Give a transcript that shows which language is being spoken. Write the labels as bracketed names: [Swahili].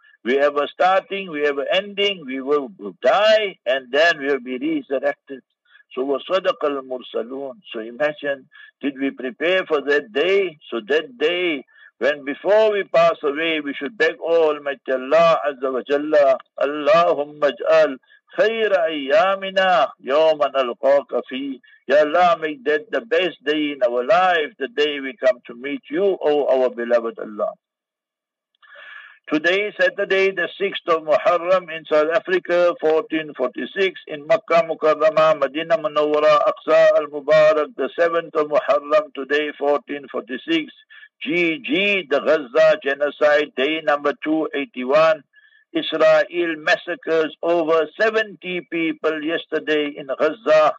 [English] We have a starting, we have an ending, we will die, and then we will be resurrected. So [Arabic] wa sadaqa al-mursalun. [English] So imagine, did we prepare for that day? So that day, when before we pass away, we should beg Almighty Allah Azza wa Jalla, [Arabic] Allahumma ij'al خير أيامنا يوم نلقاك فيه. [English] Ya Allah, make that the best day in our life, the day we come to meet you, O our beloved Allah. Today, Saturday, the 6th of Muharram in South Africa, 1446, in Makkah Mukarrama, Madinah Munawwara, Aqsa al-Mubarak, the 7th of Muharram, today, 1446, GG, the Gaza genocide, day number 281, Israel massacres over 70 people yesterday in Gaza.